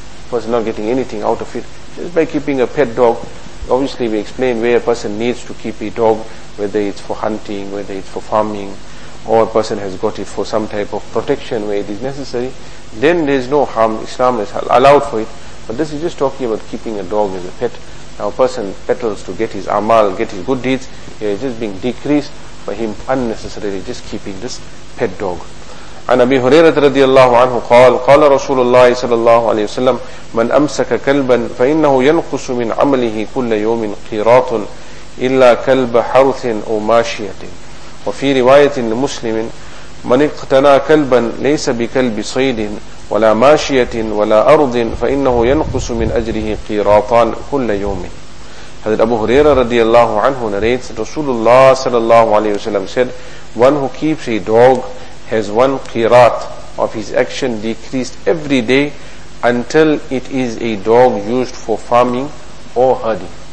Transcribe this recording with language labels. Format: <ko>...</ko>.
<en>A person not getting anything out of it. Just by keeping a pet dog, obviously we explain where a person needs to keep a dog, whether it's for hunting, whether it's for farming, or a person has got it for some type of protection where it is necessary, then there is no harm. Islam has allowed for it. But this is just talking about keeping a dog as a pet. Now a person battles to get his amal, get his good deeds, he is just being decreased by him unnecessarily just keeping this pet dog.</en> <ar>عن أبي هريرة رضي الله عنه قال قال رسول الله صلى الله عليه وسلم من أمسك كلبا فإنه ينقص من عمله كل يوم قيراط إلا كلب حرث أو ماشية. وفي رواية لمسلم من اقتنى كلبا ليس بكلب صيد ولا ماشية ولا أرض فإنه ينقص من أجره قيراطان كل يوم. هذا أبو هريرة رضي الله عنه</ar> <en>narrates</en> <ar>رسول الله صلى الله عليه وسلم</ar> <en>said, one who keeps a dog has one qirat of his action decreased every day until it is a dog used for farming or herding.</en>